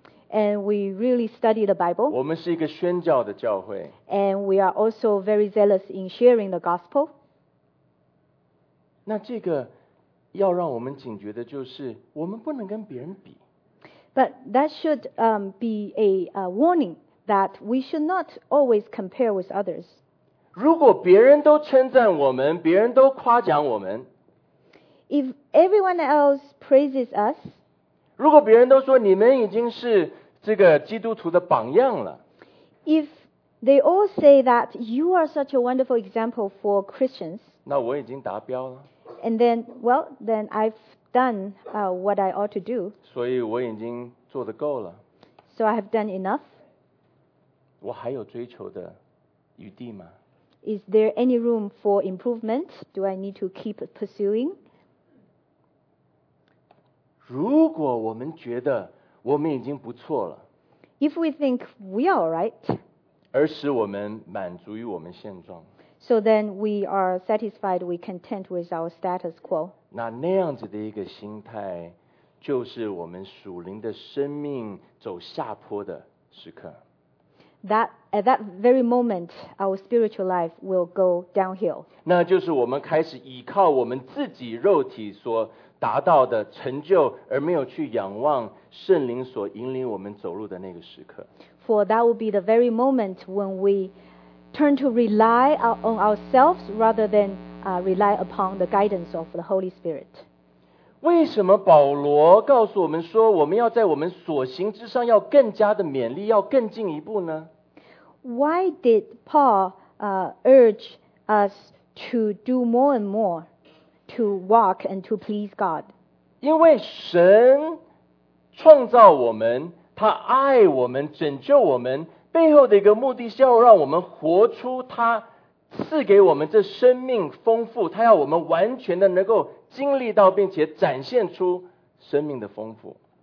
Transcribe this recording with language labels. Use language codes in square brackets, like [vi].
[en] And we really study the Bible. [zh] 我们是一个宣教的教会。 [en] And we are also very zealous in sharing the gospel. [zh] 那这个要让我们警觉的就是，我们不能跟别人比。 [en] But that should be a warning. That we should not always compare with others. [zh] 如果别人都称赞我们，别人都夸奖我们。 [en] If everyone else praises us. [zh] 如果别人都说你们已经是这个基督徒的榜样了。 [en] If they all say that you are such a wonderful example for Christians. [zh] 那我已经达标了。 [en] And then, well, then I've done what I ought to do. [zh] 所以我已经做得够了。 [en] So I have done enough. [zh] 我还有追求的余地吗？ [en] Is there any room for improvement? Do I need to keep pursuing? [zh] 如果我们觉得我们已经不错了， [en] If we think we are all right, [zh] 而使我们满足于我们现状， [en] So then we are satisfied, we content with our status quo. [zh] 那样子的一个心态，就是我们属灵的生命走下坡的时刻。 [en] That at that very moment, our spiritual life will go downhill. [zh] 那就是我们开始依靠我们自己肉体所达到的成就，而没有去仰望圣灵所引领我们走路的那个时刻。 [en] For that will be the very moment when we turn to rely on ourselves rather than rely upon the guidance of the Holy Spirit. [zh] 为什么保罗告诉我们说我们要在我们所行之上要更加的勉励，要更进一步呢？ [en] Why did Paul urge us to do more and more to walk and to please God? [zh] 因为神创造我们，他爱我们，拯救我们，背后的一个目的是要让我们活出他赐给我们这生命丰富，他要我们完全的能够经历到并且展现出生命的丰富。